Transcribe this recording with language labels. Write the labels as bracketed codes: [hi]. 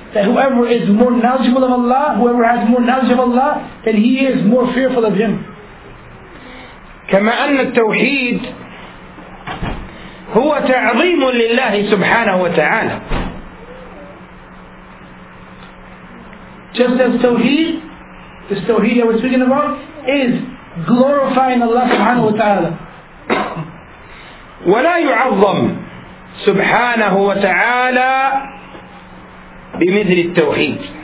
[en] That whoever is more knowledgeable of Allah, whoever has more knowledge of Allah, then he is more fearful of him. [ar] كما أن التوحيد هو تعظيم لله سبحانه وتعالى. [en] Just as Tawheed, this Tawheed that we're speaking about, is glorifying Allah سبحانه وتعالى. [ar] ولا يعظم سبحانه وتعالى بمثل التوحيد.